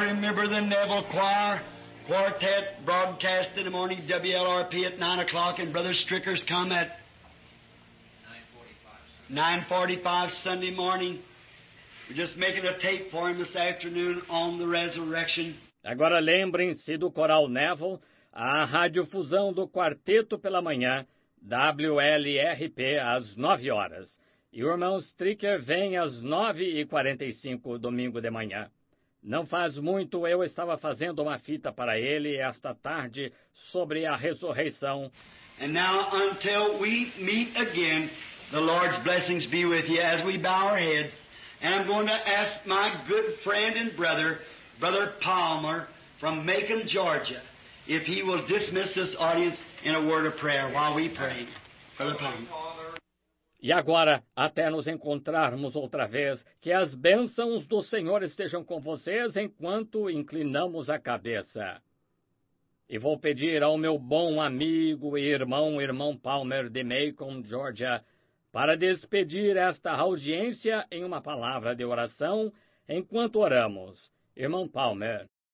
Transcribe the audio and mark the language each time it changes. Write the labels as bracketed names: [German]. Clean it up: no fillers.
[English] Remember the Neville Choir Quartet broadcast in the morning, WLRP at 9 o'clock, and Brother Stricker's come at 9:45 Sunday morning. We're just making a tape for him this afternoon on the resurrection. [Portuguese] Agora lembrem-se do Coral Neville, a radiofusão do quarteto pela manhã, WLRP, às 9 horas. E o irmão Stricker vem às 9:45 domingo de manhã. Não faz muito, eu estava fazendo uma fita para ele esta tarde sobre a ressurreição. [English] And now, until we meet again, the Lord's blessings be with you as we bow our heads. And I'm going to ask my good friend and brother, Brother Palmer from Macon, Georgia, if he will dismiss this audience in a word of prayer while we pray. Brother Palmer. [Portuguese] E agora, até nos encontrarmos outra vez, que as bênçãos do Senhor estejam com vocês enquanto inclinamos a cabeça. E vou pedir ao meu bom amigo e irmão, irmão Palmer de Macon, Georgia, para despedir esta audiência em uma palavra de oração enquanto oramos. Irmão Palmer.